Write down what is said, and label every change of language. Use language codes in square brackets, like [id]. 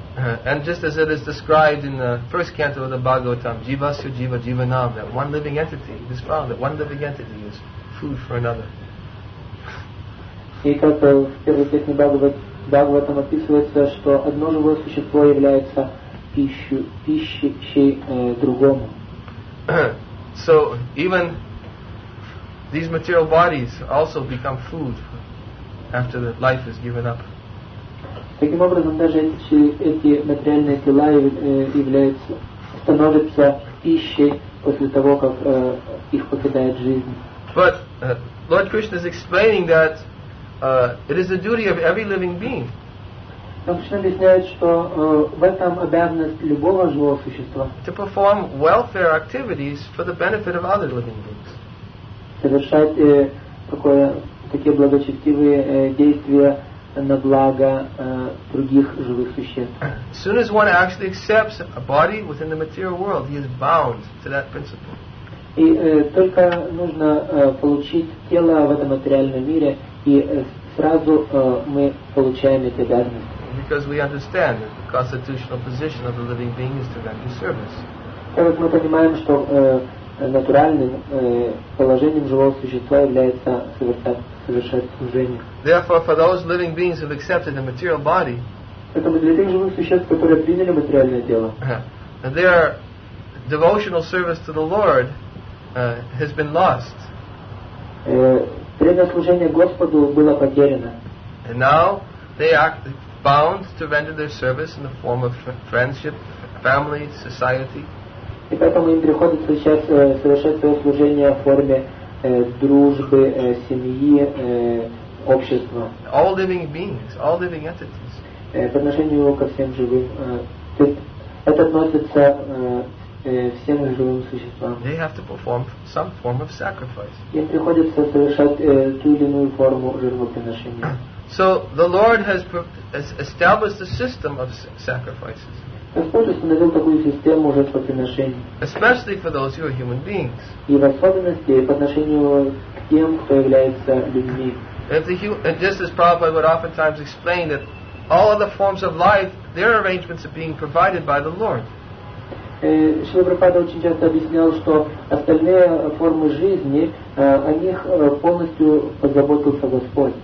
[en] And just as it is described in the first canto of the Bhagavatam, [sa] Jivasya Jiva Jivanam, [en] that one living entity, it is found that one living entity is food for another. [ru] И как в первой песне Бхагаватам описывается, что одно живое существо является пищей другому. [en] So, even these material bodies also become food after the life is given up. [ru] Таким образом, даже эти материальные тела являются, становятся пищей после того, как их покидает жизнь. [en] But Lord Krishna is explaining that it is the duty of every living being. [ru] Он Кришна объясняет, что в этом обязанность любого живого существа. [en] To perform welfare activities for the benefit of other living beings. [ru] Совершать такие благочестивые действия на благо других живых существ. [en] As soon as one actually accepts a body within the material world, he is bound to that principle. [ru] И только нужно получить тело в этом материальном мире, и сразу мы получаем эти обязанности. [en] Because we understand that the constitutional position of the living being is to render service. [ru] Так мы понимаем, что натуральным положением живого существа является совершать служение. [en] Therefore, for those living beings who have accepted the material body, [ru] поэтому для тех живых существ, которые приняли материальное тело, [en] their devotional service to the Lord has been lost. [ru] Преданное служение Господу было потеряно. [en] And now they are bound to render their service in the form of friendship, family, society. [ru] И поэтому им приходится сейчас совершать свое служение в форме дружбы, семьи, общества. [en] All living beings, all living entities. [ru] По отношению ко всем живым. Это относится всем живым существам. [en] They have to perform some form of sacrifice. [ru] Им приходится совершать ту или иную форму жертвоприношения. [en] So the Lord has established a system of sacrifices. [ru] Господь установил такую систему жертвоприношений. [en] Especially for those who are human beings. [ru] И в особенности по отношению к тем, кто является людьми. [en] And just as Prabhupada would oftentimes explain that all other forms of life, their arrangements are being provided by the Lord. [ru] Шрила Прабхупада очень часто объяснял, что остальные формы жизни, о них полностью позаботился Господь.